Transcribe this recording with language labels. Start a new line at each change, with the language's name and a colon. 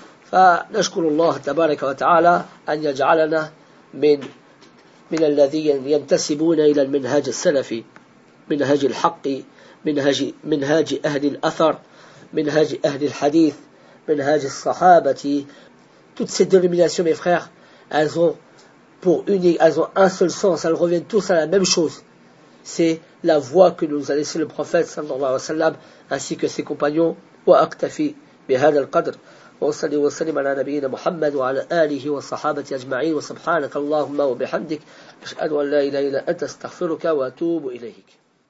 Arabic: فنشكر الله تبارك وتعالى أن يجعلنا من الذين ينتسبون إلى المنهج السلفي, منهج الحق, منهج أهل الأثر, منهج أهل الحديث, منهج الصحابة.
French: Toutes ces dénominations, mes frères, elles ont pour unique, elles ont un seul sens, elles reviennent tous à la même chose. C'est la voie que nous a laissé le prophète
Arabic: صلى الله عليه وسلم
French: ainsi que ses compagnons.
Arabic: وأكتفي بهذا القدر. وصلي وسلم على نبينا محمد وعلى آله وصحابة أجمعين. وسبحانك اللهم وبحمدك, أشهد أن لا إله إلا أنت, استغفرك وأتوب إليك.